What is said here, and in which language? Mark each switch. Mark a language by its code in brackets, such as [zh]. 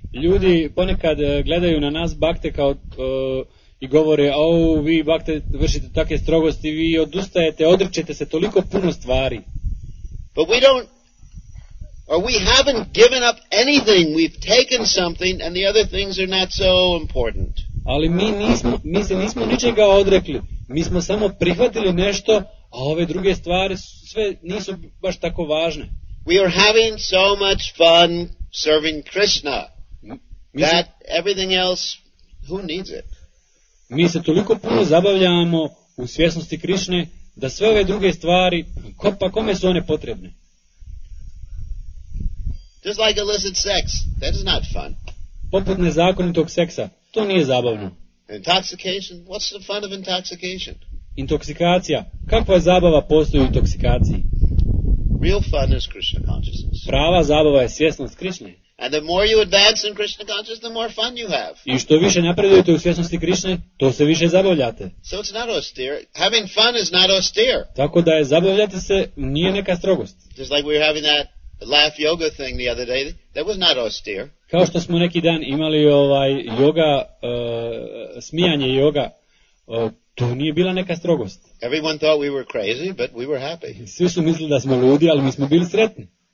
[hr] Ljudi ponekad gledaju na nas bhakte kao i govore, "Oh, vi bhakte vršite takve strogosti, vi odustajete, odričete se toliko puno stvari." [en] But we don't, or we haven't given up anything, we've taken something and the other things are not so important. [hr] Ali mi se nismo ničega odrekli. Mi smo samo prihvatili nešto, a ove druge stvari sve nisu baš tako važne. [en] We are having so much fun serving Krishna that everything else, who needs it? [hr] Mi se toliko puno zabavljamo u svjesnosti Krišne da sve ove druge stvari, pa kome su one potrebne? [en] Just like illicit sex, that is not fun. [hr] poput nezakonitog seksa. To nije zabavno. [en] Intoxication? What's the fun of intoxication? [hr] Intoksikacija. Kakva zabava postoji u intoksikaciji? [en] Real fun is Krishna consciousness. [hr] Prava zabava je svjesnost Krishne. [en] And the more you advance in Krishna consciousness, the more fun you have. [hr] I što više napredujete u svjesnosti Krishne, to se više zabavljate. [en] So it's not austere. Having fun is not austere. [hr] Tako da je zabavljati se nije neka strogost. [en] Just like we were having that laugh yoga thing the other day, that was not austere. [hr] Kao što smo neki dan imali ovaj yoga, smijanje yoga, to nije bila neka strogost. [en] Everyone thought we were crazy, but we were happy. [hr] Svi su mislili da smo ludi, ali mi smo bili sretni.